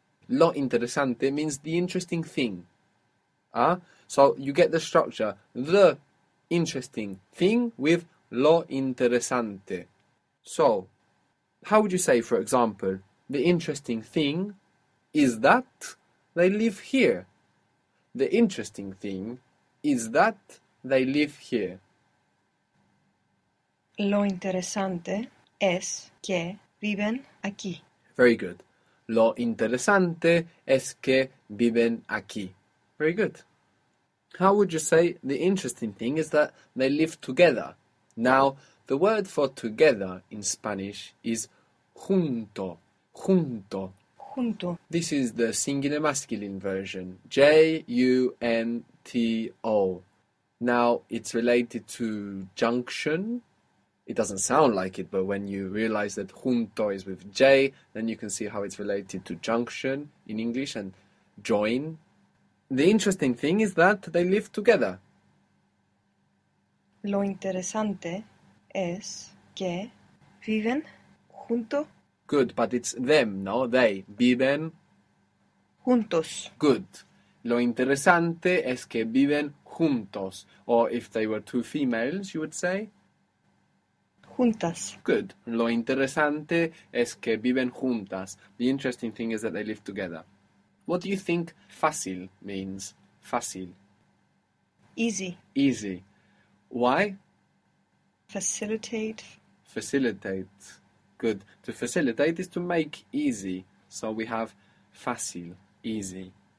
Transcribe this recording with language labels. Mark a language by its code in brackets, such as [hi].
[en] Lo interesante means the interesting thing. So you get the structure, the interesting thing with lo interesante. So, how would you say, for example, the interesting thing is that they live here? The interesting thing is that they live here. [es] Lo interesante es que viven aquí. [en] Very good. [es] Lo interesante es que viven aquí. [en] Very good. How would you say the interesting thing is that they live together? Now, the word for together in Spanish is junto, junto. [es] Junto. [en] This is the singular masculine version, junto. Now, it's related to junction. It doesn't sound like it, but when you realize that junto is with J, then you can see how it's related to junction in English and join. The interesting thing is that they live together. [es] Lo interesante es que viven junto. [en] Good, but it's them, no? They viven [es] juntos. [en] Good. [es] Lo interesante es que viven juntos. [en] Or if they were two females, you would say? [es] Juntas. [en] Good. [es] Lo interesante es que viven juntas. [en] The interesting thing is that they live together. What do you think fácil means? [es] Fácil. [en] Easy. Easy. Why? Facilitate. Facilitate. Good. To facilitate is to make easy. So we have fácil, easy.